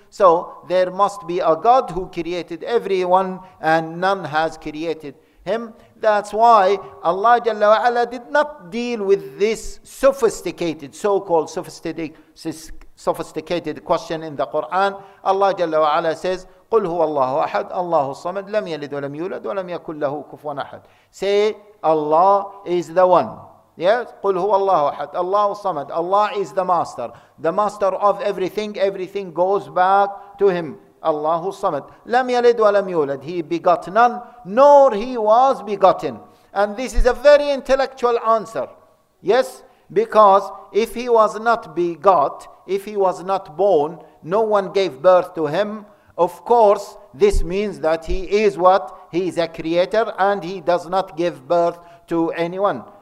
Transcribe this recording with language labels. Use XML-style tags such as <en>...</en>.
<en>So there must be a God who created everyone and none has created him. That's why Allah Jalla wa Ala did not deal with this sophisticated, so-called sophisticated question in the Quran. Allah Jalla wa Ala says,</en> <ar>قل هو الله أحد الله الصمد لم يلد ولم يولد ولم يكن له كفوا أحد.</ar> <en>Say Allah is the one. Yes.</en> <ar>قل هو الله أحد الله الصمد.</ar> <en>Allah is the master of everything. Everything goes back to him.</en> <ar>الله الصمد لم يلد ولم يولد.</ar> <en>He begot none, nor he was begotten. And this is a very intellectual answer. Yes, because if he was not begot, if he was not born, no one gave birth to him. Of course, this means that he is what? He is a creator and he does not give birth to anyone.</en>